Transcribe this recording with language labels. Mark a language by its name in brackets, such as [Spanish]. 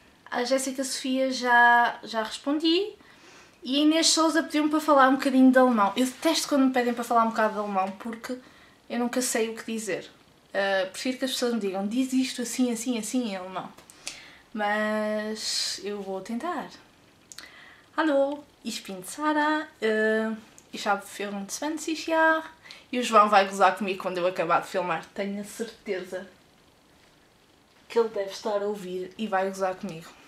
[Portuguese] A Jéssica Sofia já respondi. E a Inês Souza pediu-me para falar um bocadinho de alemão. Eu detesto quando me pedem para falar um bocado de alemão porque eu nunca sei o que dizer. Prefiro que as pessoas me digam, diz isto assim, assim, assim, em alemão. Mas eu vou tentar. [German] Hallo, ich bin Sarah, ich habe 24 Jahre. [Portuguese] E o João vai gozar comigo quando eu acabar de filmar. Tenho a certeza que ele deve estar a ouvir e vai gozar comigo.